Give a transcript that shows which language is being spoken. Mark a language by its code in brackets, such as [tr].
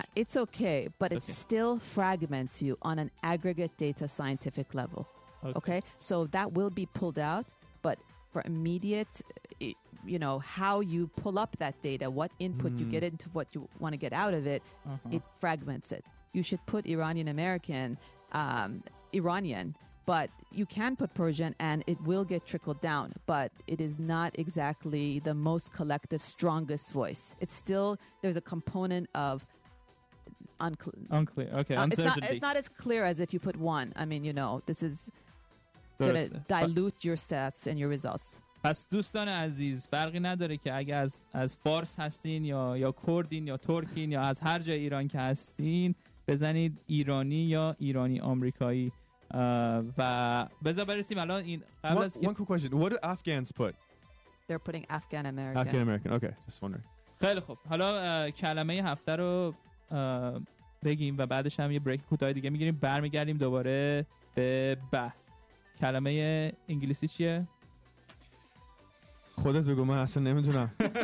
[en] Yeah, it's okay, but it still fragments you on an aggregate data scientific level. Okay? So that will be pulled out, but for immediate, you know, how you pull up that data, what input you get into, what you want to get out of it, it fragments it. You should put Iranian American, Iranian, but you can put Persian and it will get trickled down, but it is not exactly the most collective, strongest voice. It's still, there's a component of unclear. Okay, uncertainty. It's not as clear as if you put one. I mean, you know, this is going to dilute your stats and your results. [fa] پس دوستان عزیز فرقی نداره که اگه از فارس هستین یا کردین یا ترکین یا از هر جای ایران که هستین بزنید ایرانی یا ایرانی آمریکایی و بذار برسیم الان این قبل از [en] one quick question, what do Afghans put? They're putting Afghan American. Afghan American, okay, just wondering. [fa] خیلی خوب حالا کلمه هفته رو بگیم و بعدش هم یه بریک کوتاه دیگه میگیریم برمیگردیم دوباره به بحث. کلمه انگلیسی چیه؟ خودت بگو من اصلا نمیتونم.